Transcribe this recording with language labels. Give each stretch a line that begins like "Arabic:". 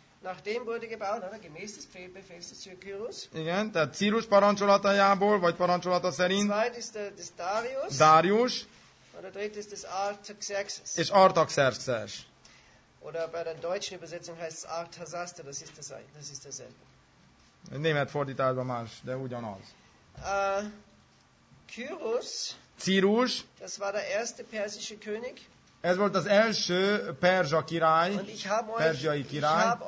German: Nachdem wurde gebaut, oder gemäß des Befehls des Kyrus.
Hungarian: Igen, tehát Círus parancsolatajából, vagy parancsolata szerint.
German: Zweitens des Darius.
Hungarian: Darius.
German: Oder drittens des Artaxerxes.
Hungarian: És Artaxerxes.
German: Oder bei der deutschen Übersetzung heißt es Artaxaster, das ist dasselbe.
Hungarian: Egy német fordításban más, de ugyanaz.
German: Kyrus.
Hungarian: Círus.
German: Das war der erste persische König.
Hungarian: Ez volt az első perzsa király, perzsiai király.